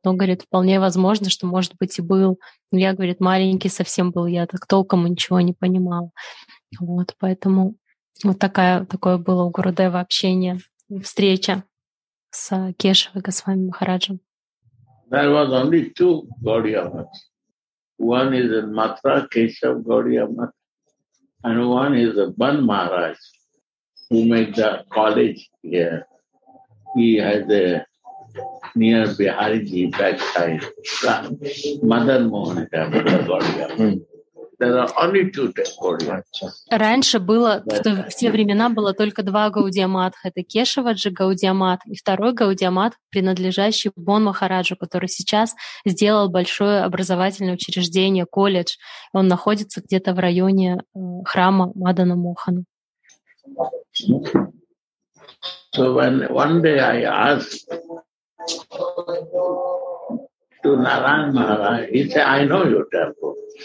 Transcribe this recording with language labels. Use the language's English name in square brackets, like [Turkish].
[Russian] Но, говорит, вполне возможно, что, может быть, и был. Я, говорит, маленький совсем был, я так толком ничего не понимал. Вот, поэтому вот такое было у Гурудева общение, встреча с Кешавой Госвами Махараджем. [English] There was only two Gaudiya Math. One is in Mathura, Keshav Gaudiya Math, and one is a Ban Maharaj, who made the college here. He has a near Bihariji backside, Madan Mohan Temple, Gaudiya Math. There are only two Gaudiya Math. [Russian] Раньше было, в те времена было только два Гаудия Матха. Это Кешаваджи Гаудия Матх и второй Гаудия Матх, принадлежащий Бон Махараджу, который сейчас сделал большое образовательное учреждение, колледж. Он находится где-то в районе храма Мадана Мохана. [English] So when one day I asked to Narayan Maharaj, he said, I know your temple.